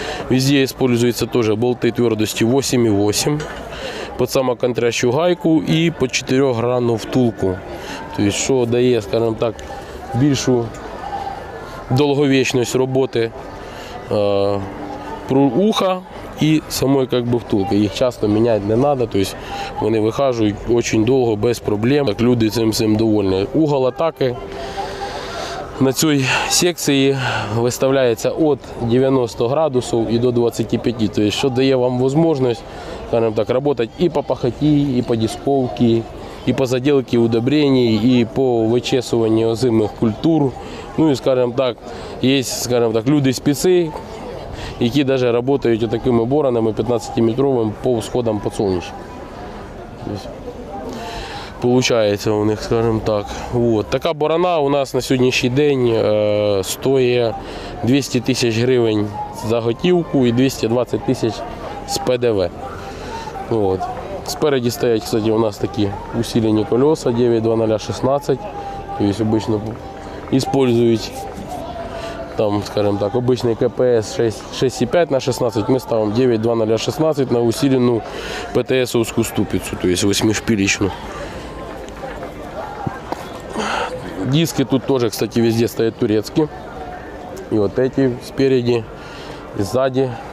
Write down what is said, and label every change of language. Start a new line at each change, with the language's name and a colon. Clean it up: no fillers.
Russian: Везде используются тоже болты твердости 8,8 под самоконтрящую гайку и под 4-гранну втулку. То есть, что дает, скажем так, большую долговечность работы уха и самой как бы втулки. Их часто менять не надо, то есть они выхаживают очень долго без проблем.
Ukrainian: Так люди цим довольны. Угол атаки на цій секції виставляється від 90 градусів і до 25, тобто що дає вам можливість, скажімо так, працювати і по пахоті, і по дисковці, і по заділці удобрення, і по вичесуванню зимних культур. Ну і, скажімо так, є, скажімо так, люди-спеці, які навіть працюють такими боронами 15-метровими по сходам по сонячку. Получається у них, скажімо так. От. Така борона у нас на сьогоднішній день стоїть 200 тисяч гривень за готівку і 220 тисяч з ПДВ. От. Спереді стоять, кстати, у нас такі усилені колеса 9-2016. Тобто, звичайно, використовують там, скажімо так, обичний КПС 6,5 на 16, ми ставимо 9-2016 на усилену ПТС-овську ступицю, тобто восьмишпілічну.
Russian: диски тут тоже, кстати, везде стоят турецкие. И вот эти спереди, и сзади.